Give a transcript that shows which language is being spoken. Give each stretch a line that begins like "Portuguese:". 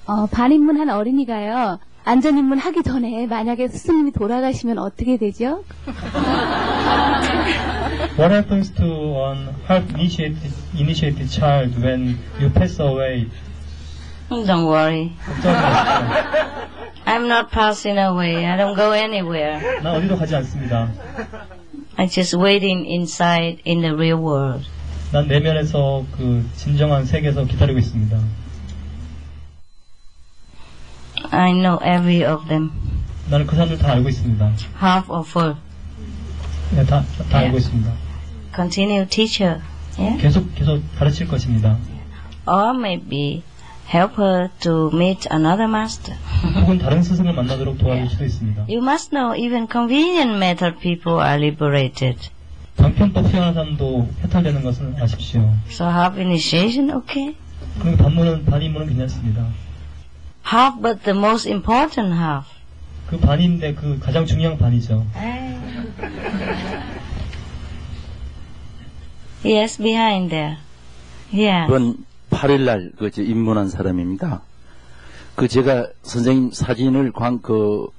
Korean: Bilingual한 어린이가요. 안전 입문 하기 전에 만약에 스승님이 돌아가시면 어떻게 되죠?
English: What happens to an initiated child when you pass away? Don't worry. I'm not passing away. I don't go anywhere.
Korean: 나 어디도 가지 않습니다.
English: I'm just waiting inside in the real world.
Korean: 난 내면에서 그 진정한 세계에서 기다리고 있습니다.
English: I know every of them.
Korean: 나는 그 사람들 다 알고 있습니다.
English: Half or full.
Korean: 네, 다 알고 있습니다.
English: Continue teacher. Yeah?
Korean: 계속 가르칠 것입니다.
English: Or maybe help her to meet another master.
Korean: 혹은 다른 스승을 만나도록 도와줄 수도 있습니다.
English: You must know even convenient method people are liberated.
Korean: 방편법 시원한 사람도 해탈되는 것은 아십시오.
English: So half initiation, okay?
Korean: 그럼 반입문은 괜찮습니다.
English: Half, but the most important half.
Korean: 그 반인데 그 가장 중요한 반이죠.
English: Yes, behind there. Yeah.
Korean: 이번 8일 날 그 이제 입문한 사람입니다. 그 제가 선생님 사진을 그